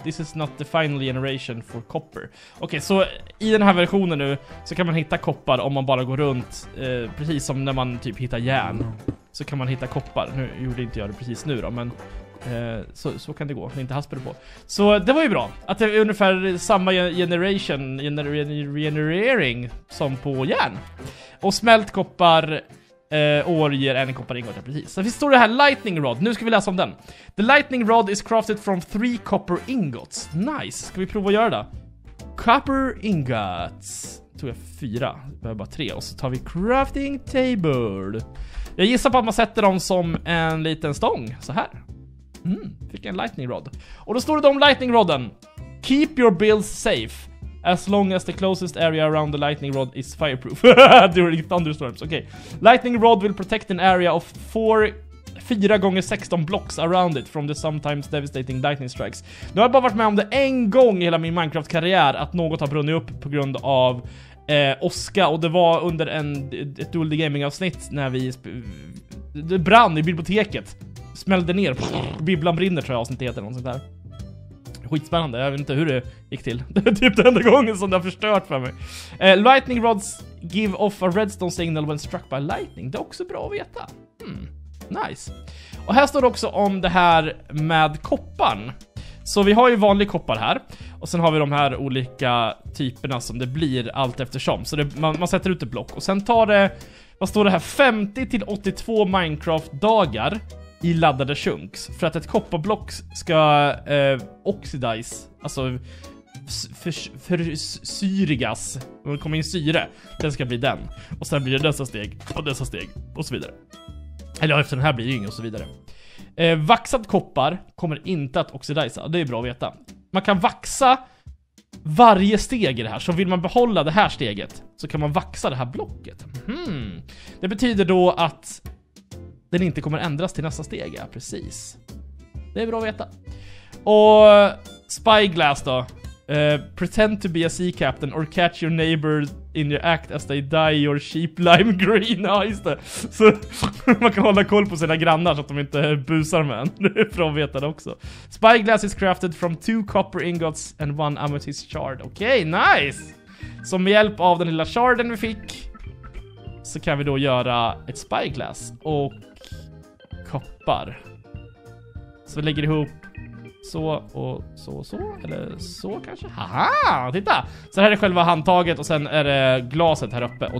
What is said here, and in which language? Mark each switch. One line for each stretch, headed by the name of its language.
English: This is not the final generation for copper.
Swedish: Okej, så i den här versionen nu så kan man hitta koppar om man bara går runt. Precis som när man typ hittar järn så kan man hitta koppar. Nu gjorde inte jag det precis nu då, men så kan det gå. Det inte haspar på. Så det var ju bra att det är ungefär samma generation, generering som på järn. Och smält koppar... Or ger en koppar ingot, ja, precis. Sen står det här lightning rod. Nu ska vi läsa om den.
English: The lightning rod is crafted from 3 copper ingots. Nice.
Swedish: Ska vi prova att göra det? Copper ingots. Tog jag 4. Behöver bara 3. Och så tar vi crafting table. Jag gissar på att man sätter dem som en liten stång. Så här. Fick en lightning rod. Och då står det om lightning rodden.
English: Keep your builds safe. As long as the closest area around the lightning rod is fireproof. During thunderstorms, okay. Lightning rod will protect an area of 4x16 blocks around it from the sometimes devastating lightning strikes.
Swedish: Nu har jag bara varit med om det en gång i hela min Minecraft-karriär att något har brunnit upp på grund av oska. Och det var under ett dueldig gaming-avsnitt när det brann i biblioteket. Smällde ner, bibblan brinner tror jag avsnittet heter, något sånt där. Skitspännande, jag vet inte hur det gick till. Det är typ den enda gången som det har förstört för mig.
English: Lightning rods give off a redstone signal when struck by lightning.
Swedish: Det är också bra att veta. Nice. Och här står det också om det här med kopparn. Så vi har ju vanlig koppar här. Och sen har vi de här olika typerna som det blir allt eftersom. Så man sätter ut ett block. Och sen tar det, vad står det här, 50-82 Minecraft-dagar i laddade chunks. För att ett kopparblock ska oxidize, alltså försyrigas. Om det kommer in syre, den ska bli den. Och sen blir det dessa steg och dessa steg och så vidare. Eller efter den här blir det ju inget och så vidare. Vaxad koppar kommer inte att oxidisa. Det är bra att veta. Man kan vaxa varje steg i det här. Så vill man behålla det här steget, så kan man vaxa det här blocket. Mm. Det betyder då att den inte kommer ändras till nästa steg. Ja, precis. Det är bra att veta. Och Spyglass då.
English: Pretend to be a sea captain or catch your neighbor in your act as they dye your sheep lime green.
Swedish: Ja, just det. Så man kan hålla koll på sina grannar så att de inte busar med en. Det är bra att veta det också.
English: Spyglass is crafted from 2 copper ingots and 1 amethyst shard. Okej, okay, nice!
Swedish: Så med hjälp av den lilla sharden vi fick så kan vi då göra ett spyglass och koppar. Så vi lägger ihop så och så och så. Eller så kanske. Haha, titta. Så här är själva handtaget och sen är det glaset här uppe.